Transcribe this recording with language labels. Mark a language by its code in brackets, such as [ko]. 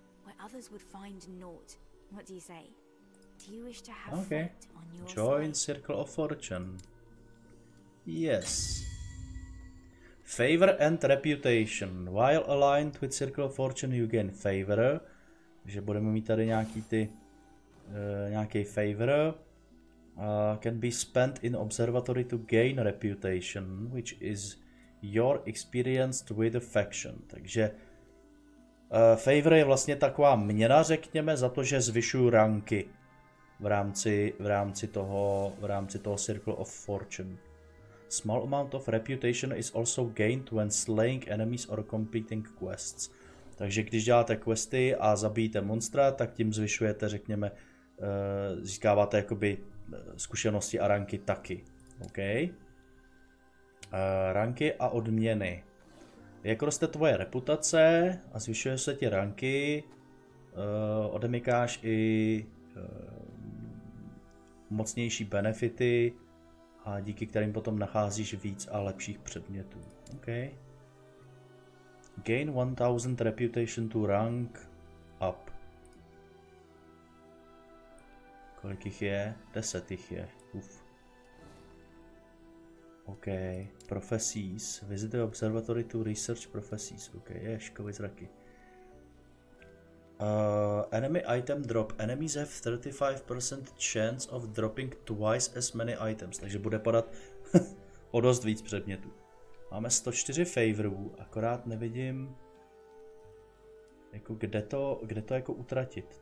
[en] Where others would find naught. What do you say? Do you wish to have okay. On your join side? Circle of Fortune. Yes. Favor and reputation. While aligned with Circle of Fortune, you gain favor. [cs] Že budeme mít tady nějaký ty nějaký favor. [en] Can be spent in observatory to gain reputation, which is your experience with the faction. [cs] Takže favor je vlastně taková měna, řekněme, za to, že zvyšuju ranky v rámci toho Circle of Fortune. [en] Small amount of reputation is also gained when slaying enemies or completing quests. [cs] Takže když děláte questy a zabijete monstra, tak tím zvyšujete, řekněme, získáváte jakoby zkušenosti a ranky taky. OK. Ranky a odměny. Jak roste tvoje reputace a zvyšuje se ti ranky, odemykáš i mocnější benefity, a díky kterým potom nacházíš víc a lepších předmětů. OK. [en] Gain 1000 reputation to rank up. [cs] Kolik jich je? 10 jich je. Uf. [en] OK. Professies. Visit the observatory to research professies. OK. [cs] Ježkovi zraky. [en] Enemy item drop. Enemies have 35% chance of dropping twice as many items. [cs] Takže bude padat o dost víc předmětů. Máme 104 favorů, akorát nevidím, jako kde to jako utratit.